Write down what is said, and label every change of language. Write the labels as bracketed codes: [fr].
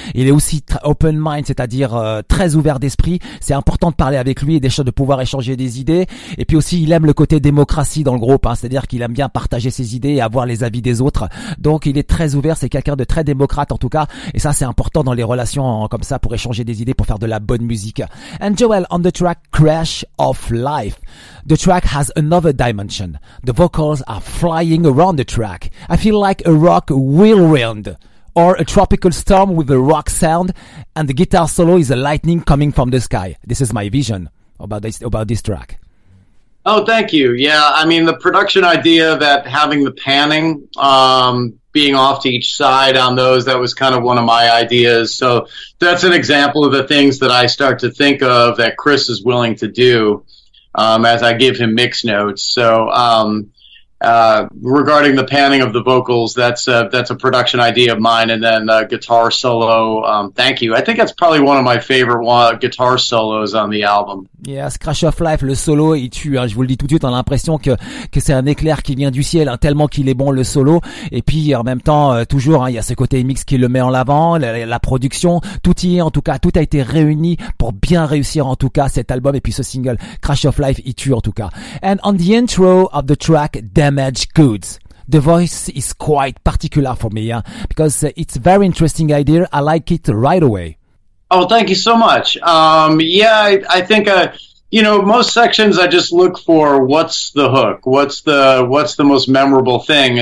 [fr] Il est aussi open mind, c'est-à-dire très ouvert d'esprit. C'est important de parler avec lui et de pouvoir échanger des idées. Et puis aussi, il aime le côté démocratie dans le groupe, hein, c'est-à-dire qu'il aime bien partager ses idées et avoir les avis des autres. Donc il est très ouvert, c'est quelqu'un de très démocrate en tout cas, et ça c'est important dans les relations comme ça, pour échanger des idées, pour faire de la bonne musique. [en] And Joel, on the track Crash of Life, the track has another dimension. The vocals are flying around the track. I feel like a rock whirlwind or a tropical storm with a rock sound, and the guitar solo is a lightning coming from the sky. This is my vision about this track. Oh, thank you. Yeah, I mean, the production idea that having the panning being off to each side on those, that was kind of one of my ideas. So that's an example of the things that I start to think of that Chris is willing to do as I give him mix notes. So regarding the panning of the vocals, that's a production idea of mine. And then the guitar solo, thank you. I think that's probably one of my favorite guitar solos on the album. [fr] Yeah, Scratch of Life, le solo, il tue, hein. Je vous le dis tout de suite, on a l'impression que c'est un éclair qui vient du ciel, hein, tellement qu'il est bon, le solo. Et puis, en même temps, toujours, hein, il y a ce côté mix qui le met en avant, la production, tout y est, en tout cas, tout a été réuni pour bien réussir, en tout cas, cet album et puis ce single. Scratch of Life, il tue, en tout cas. [en] And on the intro of the track, Damaged Goods. The voice is quite particular for me, yeah, because it's a very interesting idea. I like it right away. Oh, thank you so much. I think most sections I just look for what's the hook, what's the most memorable thing.